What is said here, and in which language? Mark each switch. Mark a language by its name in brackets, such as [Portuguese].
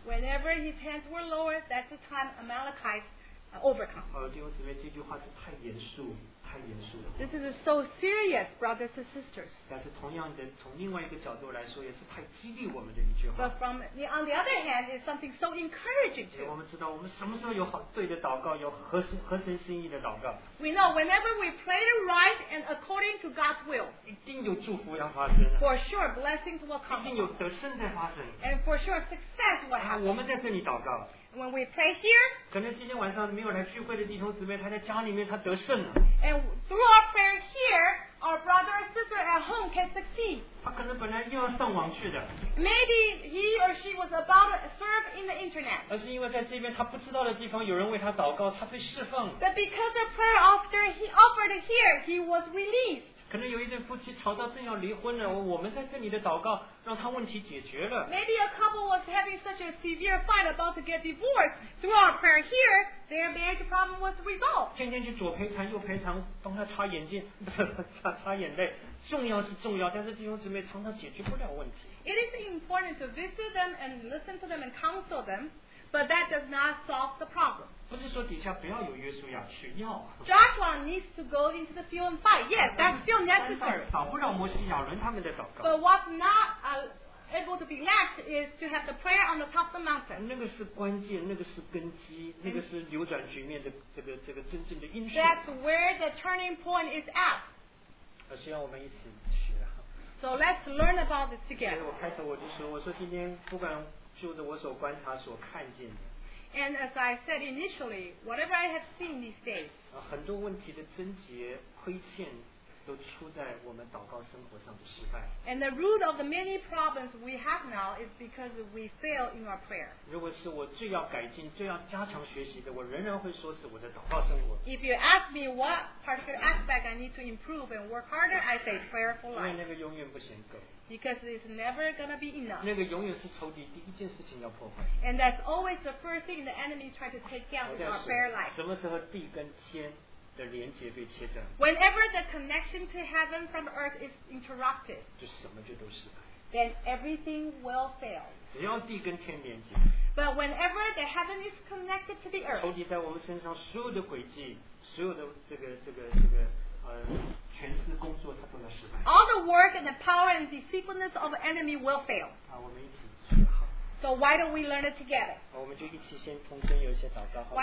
[English] Whenever his hands were lowered, that's the time Amalekites overcome. [Chinese] 弟兄姊妹，这句话是太严肃，太严肃了。 [English] This is so serious, brothers and sisters. [Chinese] 但是同样的，从另外一个角度来说，也是太激励我们的一句话。 [English] But from the, on the other hand, it's something so encouraging to. [Chinese] 我们知道，我们什么时候有好对的祷告，有合神心意的祷告。 [English] We know whenever we pray the right and according to God's will. [Chinese] 一定有祝福要发生。 [English] For sure, blessings will come. [Chinese] 一定有得胜在发生。 [English] And for sure, success will happen. [Chinese] 我们在这里祷告。 [English] When we pray here, [Chinese] 可能今天晚上没有来聚会的弟兄姊妹，他在家里面他得胜了。 [English] And through our prayer here, our brother and sister at home can succeed. [Chinese] 他可能本来又要上网去的。 [English] Maybe he or she was about to serve in the internet. [Chinese] 而是因为在这边他不知道的地方有人为他祷告，他被释放了。 [English] But because of prayer after he offered here, he was released. [Chinese] 可能有一对夫妻吵到正要离婚了，我们在这里的祷告。让他问题解决了。 [English] Maybe a couple was having such a severe fight about to get divorced. Through our prayer here, their marriage problem was resolved. [Chinese] 天天去左陪谈右陪谈，帮他擦眼睛，擦眼泪。重要是重要，但是弟兄姊妹常常解决不了问题。 [English] It is important to visit them and listen to them and counsel them, but that does not solve the problem. [Chinese] 不是说底下不要有约书亚去，要。 [English] Joshua needs to go into the field and fight. Yes, that's still necessary. [Chinese] 少不了摩西亚伦他们的祷告。 [English] But what's not able to be lacked is to have the prayer on the top of the mountain. [Chinese] 那个是关键，那个是根基，那个是扭转局面的这个真正的因素。 [English] That's where the turning point is at. [Chinese] 我希望我们一起学。 [English] So let's learn about this together. [Chinese] 所以我开头我就说，我说今天不管就着我所观察所看见的。 [English] And as I said initially, whatever I have seen these days. [Chinese] 很多问题的症结、亏欠。都出在我们祷告生活上的失败。 [English] And the root of the many problems we have now is because we fail in our prayer. [Chinese] 如果是我最要改进、最要加强学习的，我仍然会说是我的祷告生活。 [English] If you ask me what particular aspect I need to improve and work harder, I say prayerful life. [Chinese] 因为那个永远不嫌够。 [English] Because it's never gonna be enough. [Chinese] 那个永远是仇敌第一件事情要破坏。 [English] And that's always the first thing the enemy tries to take down in our prayer life. [Chinese] 什么时候地跟天？的连接被切断。 [English] Whenever the connection to heaven from earth is interrupted, [Chinese] 就什么就都失败。 [English] Then everything will fail. [Chinese] 只要地跟天连接。 [English] But whenever the heaven is connected to the earth, [Chinese] 仇敌在我们身上所有的轨迹，所有的这个权势工作，它都要失败。 [English] All the work and the power and deceitfulness of enemy will fail. [Chinese] 啊，我们一起。 [English] So why don't we learn it together? [Chinese] 啊，我们就一起先同声有一些祷告，好吗？